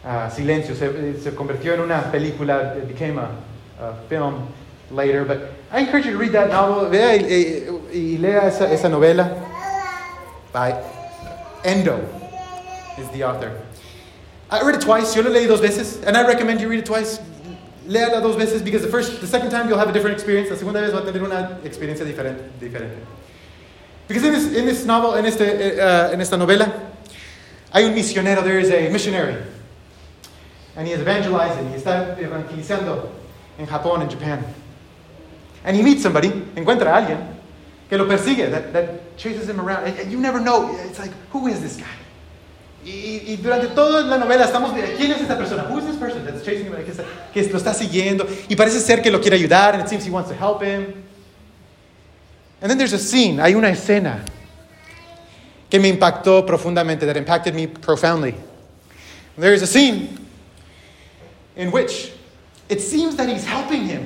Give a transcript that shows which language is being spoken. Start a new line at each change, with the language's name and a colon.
Spanish: Silencio, se convirtió en una película,
English: it became a film later, but I encourage you to read that novel.
Spanish: Vea y lea esa novela
English: by Endo is the author. I read it twice.
Spanish: Yo lo leí dos veces,
English: and I recommend you read it twice.
Spanish: Léala dos veces,
English: because the second time you'll have a different experience.
Spanish: La segunda vez va a tener una experiencia diferente.
English: Because in this novel,
Spanish: en esta novela, hay un misionero.
English: There is a missionary, and he is evangelizing. He
Spanish: está evangelizando en Japón,
English: in Japan. And he meets somebody,
Spanish: encuentra a alguien, que lo persigue,
English: that chases him around. And you never know. It's like, who is this guy?
Spanish: Y durante toda la novela estamos, ¿quién es esta persona?
English: Who is this person that's chasing him?
Spanish: Que lo está siguiendo. Y parece ser que lo quiere ayudar.
English: And it seems he wants to help him. And then there's a scene.
Spanish: Hay una escena que me impactó profundamente,
English: that impacted me profoundly. And there is a scene in which it seems that he's helping him.